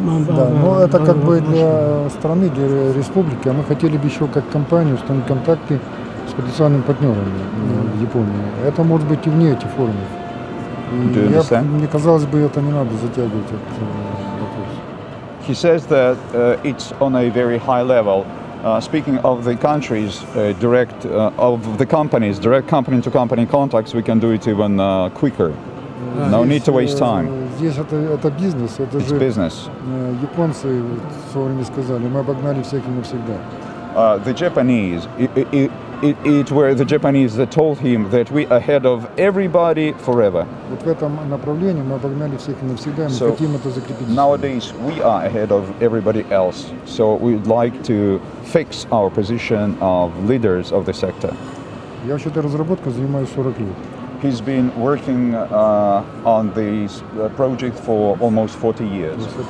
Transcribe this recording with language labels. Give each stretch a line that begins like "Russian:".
Russian: да, но это как бы для страны, для республики. А мы хотели бы еще как компания установить контакты с потенциальными партнерами в Японии. Это может быть и вне этих форумов. Мне казалось бы, это не надо затягивать этот вопрос.
English: He says that it's on a very high level. Speaking of the countries, of the companies, direct company to company contacts, we can do it even quicker. No need to waste time.
Russian: Здесь это бизнес, это
English: It's
Russian: же
English: business.
Russian: Японцы в свое время сказали, мы обогнали всех и навсегда.
English: The Japanese, it were the Japanese that told him that we ahead of everybody forever.
Russian: Вот в этом направлении мы обогнали всех и навсегда, мы хотим это закрепить.
English: Nowadays we are ahead of everybody else, so we'd like to fix our position of leaders of the sector.
Russian: Я вообще этой разработкой занимаюсь 40 лет.
English: He's been working on this project for almost 40 years.